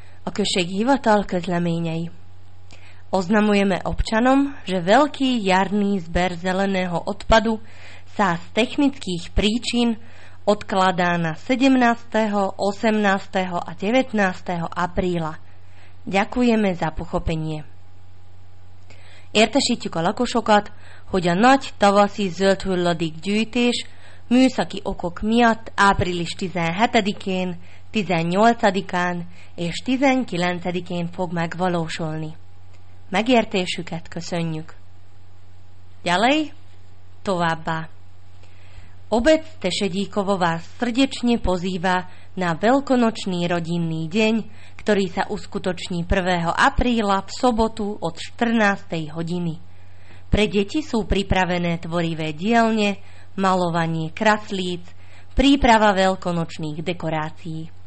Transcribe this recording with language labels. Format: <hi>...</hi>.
<hu>Okrsek Hivatal Kezleményei.</hu> <sk>Oznamujeme občanom, že veľký jarný zber zeleného odpadu sa z technických príčin odkladá na 17., 18. a 19. apríla. Ďakujeme za pochopenie.</sk> <hu>Értesítjük a lakosokat, hogy a nagy tavaszi zöld hulladék gyűjtés műszaki okok miatt április 17-én, 18-án és 19-én fog megvalósulni. Megértésüket köszönjük.</hu> <sk>Ďalej,</sk> <hu>továbbá.</hu> <sk>Obec Tešedíkovo vás srdečne pozýva na veľkonočný rodinný deň, ktorý sa uskutoční 1. apríla v sobotu od 14. hodiny. Pre deti sú pripravené tvorivé dielne, malovanie kraslíc, príprava veľkonočných dekorácií.</sk>